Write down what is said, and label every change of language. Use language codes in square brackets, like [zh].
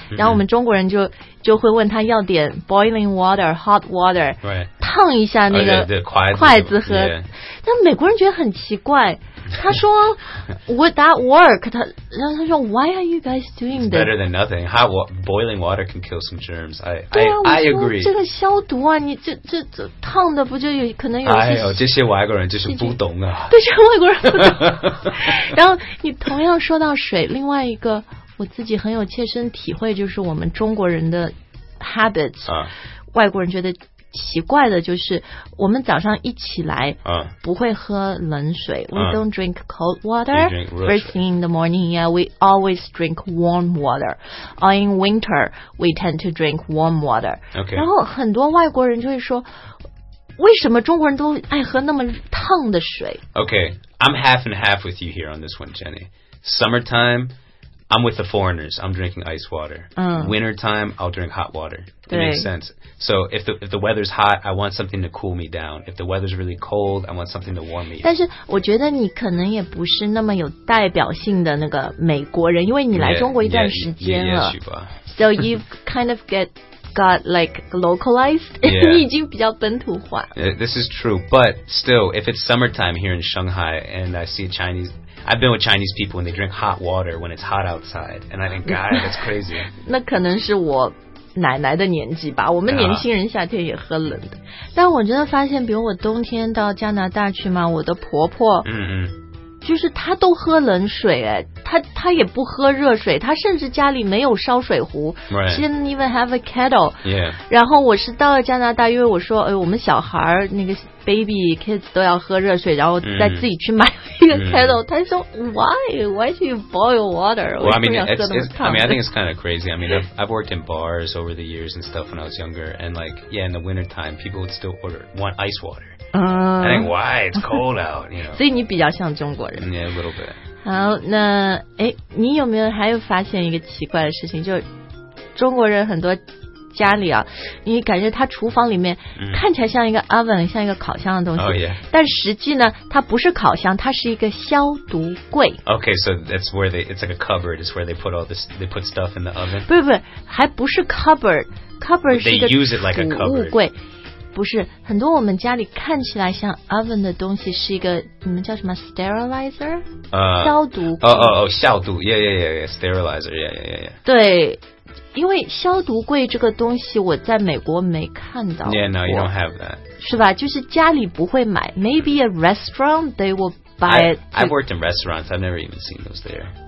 [zh] 然后我们中国人就会问他要点 [en] boiling water, hot water, [zh] 烫一下那个筷子喝。但美国人觉得很奇怪，他说 [en] Would that work? [zh] 他说 [en] Why are you guys doing this? It's better than nothing. Hot boiling water can kill some germs. I agree. [zh] 这个消毒啊，你这烫的不就有可能有些？哎呦，这些外国人就是不懂啊。对，这外国人不懂。然后你同样说到。水另外一个我自己很有切身体会就是我们中国人的 habits、外国人觉得奇怪的就是我们早上一起来、不会喝冷水、 [en] we don't drink cold water drink first thing in the morning yeah we always drink warm water or in winter we tend to drink warm water、 okay. [zh] 然后很多外国人就会说为什么中国人都爱喝那么烫的水 [en] okay I'm half and half with you here on this one Jenny Summertime, I'm with the foreigners. I'm drinking ice water. Wintertime, I'll drink hot water. It makes sense. So if the weather's hot, I want something to cool me down. If the weather's really cold, I want something to warm me. [zh] 但是我觉得你可能也不是那么有代表性的那个美国人，因为你来中国一段时间了。 [en] So you've kind of got like localized. [zh] 你已经比较本土化。 [en] This is true, but still, if it's summertime here in Shanghai and I see Chinese. I've been with Chinese people and they drink hot water when it's hot outside. And I think, God, that's crazy. [zh] 那可能是我奶奶的年纪吧。我们年轻人夏天也喝冷的。但我真的发现，比如我冬天到加拿大去嘛，我的婆婆，就是她都喝冷水，她也不喝热水，她甚至家里没有烧水壶。 [en] Right. She didn't even have a kettle. Yeah. [zh] 然后我是到了加拿大，因为我说，我们小孩那个 [en] baby kids [zh] 都要喝热水，然后再自己去买一个 kettle。他说 [en] ，Why do you boil water? Well, I mean, I think it's kind of crazy. I mean, I've worked in bars over the years and stuff when I was younger, and like, yeah, in the winter time, people would still want ice water. I think why it's cold out, you know. [zh] 所以你比较像中国人。 [en] Yeah, a little bit. [zh] 好，那哎，你有没有还有发现一个奇怪的事情？就中国人很多。家里啊，你感觉它厨房里面看起来像一个 oven，像一个烤箱的东西。 [en] Oh, yeah. [zh] 但实际呢，它不是烤箱，它是一个消毒柜。 [en] Okay, so that's where it's like a cupboard. It's where they put all this. They put stuff in the oven. [zh] 不，还不是 cupboard. Cupboard 是一个储物柜。 [en] They use it like a cupboard. [zh] 不是，很多我们家里看起来像 oven 的东西是一个你们叫什么 sterilizer？消毒柜。哦，消毒。 [en] Yeah. Sterilizer. Yeah. [zh] 对。因为消毒柜这个东西我在美国没看到过。 [en] Yeah, no, you don't have that. [zh] 是吧？就是家里不会买。 [en] Maybe a restaurant, they will buy it. I've worked in restaurants. I've never even seen those there.